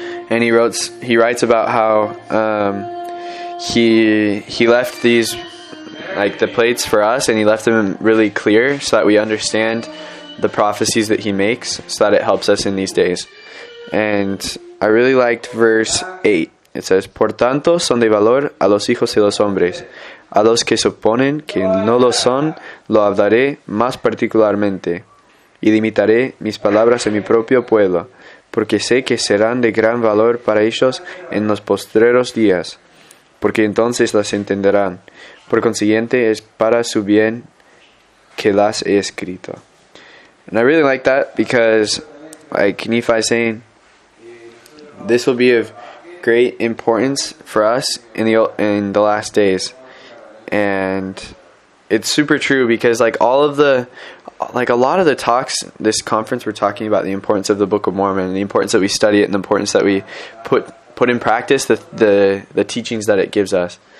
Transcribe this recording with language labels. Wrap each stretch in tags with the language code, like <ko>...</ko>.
<en>And he writes about how he left these, like, the plates for us, and he left them really clear so that we understand the prophecies that he makes so that it helps us in these days. And I really liked verse 8. It says,</en> <es>"Por tanto son de valor a los hijos de los hombres. A los que suponen que no lo son, lo hablaré más particularmente, y limitaré mis palabras en mi propio pueblo, porque sé que serán de gran valor para ellos en los postreros días, porque entonces las entenderán. Por consiguiente, es para su bien que las he escrito."</es> <en>And I really like that because, like Nephi is saying, this will be of great importance for us in the last days. And it's super true because, like, a lot of the talks this conference were talking about the importance of the Book of Mormon, and the importance that we study it, and the importance that we put in practice the teachings that it gives us.</en>